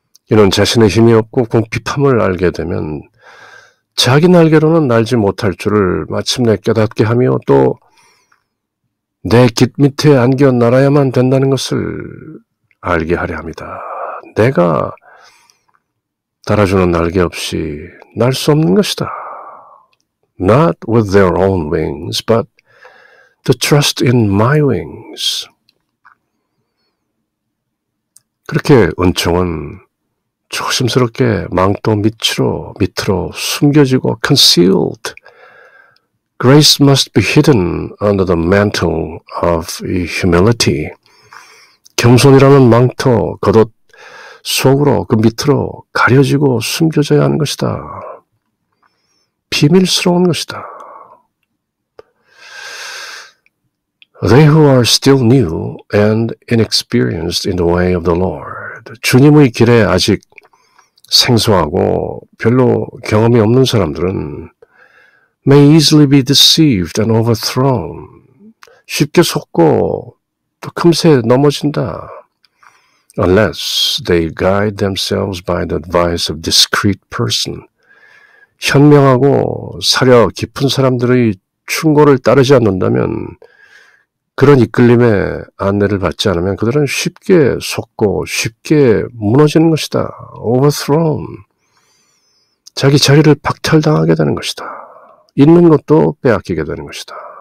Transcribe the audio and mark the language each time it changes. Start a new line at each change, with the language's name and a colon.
Korean: 이는 자신의 힘이 없고 궁핍함을 알게 되면 자기 날개로는 날지 못할 줄을 마침내 깨닫게 하며 또 내 깃 밑에 안겨 날아야만 된다는 것을 알게 하려 합니다. 내가 달아주는 날개 없이 날 수 없는 것이다.
English: Not with their own wings, but to trust in my wings.
Korean: 그렇게 은총은 조심스럽게 망토 밑으로 숨겨지고
English: concealed. Grace must be hidden under the mantle of humility.
Korean: 겸손이라는 망토 겉옷 속으로 그 밑으로 가려지고 숨겨져야 하는 것이다. 비밀스러운 것이다.
English: They who are still new and inexperienced in the way of the Lord.
Korean: 주님의 길에 아직 생소하고 별로 경험이 없는 사람들은
English: may easily be deceived and overthrown.
Korean: 쉽게 속고 또 금세 넘어진다.
English: Unless they guide themselves by the advice of discreet person.
Korean: 현명하고 사려 깊은 사람들의 충고를 따르지 않는다면 그런 이끌림에 안내를 받지 않으면 그들은 쉽게 속고 쉽게 무너지는 것이다.
English: Overthrown.
Korean: 자기 자리를 박탈당하게 되는 것이다. 있는 것도 빼앗기게 되는 것이다.